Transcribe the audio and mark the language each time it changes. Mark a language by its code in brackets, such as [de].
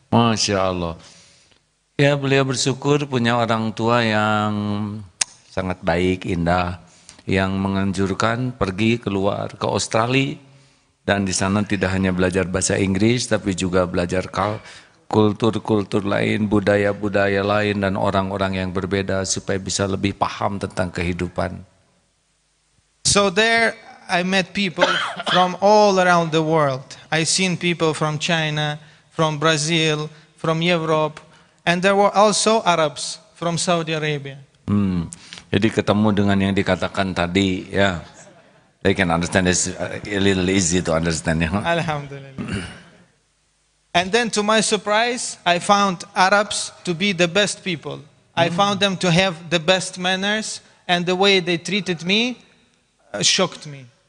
[ar] Masya Allah. [id] Ya, beliau bersyukur punya orang tua yang sangat baik, indah, yang menganjurkan pergi keluar ke Australia, dan di sana tidak hanya belajar bahasa Inggris, tapi juga belajar kultur-kultur lain, budaya-budaya lain, dan orang-orang yang berbeda, supaya bisa lebih paham tentang kehidupan. [en] So there I met people from all around the world. I seen people from China, from Brazil, from Europe, and there were also Arabs from Saudi Arabia. [id] Jadi ketemu dengan yang dikatakan tadi, ya. [en] Yeah. They can understand this a little easy to understand. Yeah. [ar] Alhamdulillah. [en] And then to my surprise, I found Arabs to be the best people. I found them to have the best manners, and the way they treated me shocked me.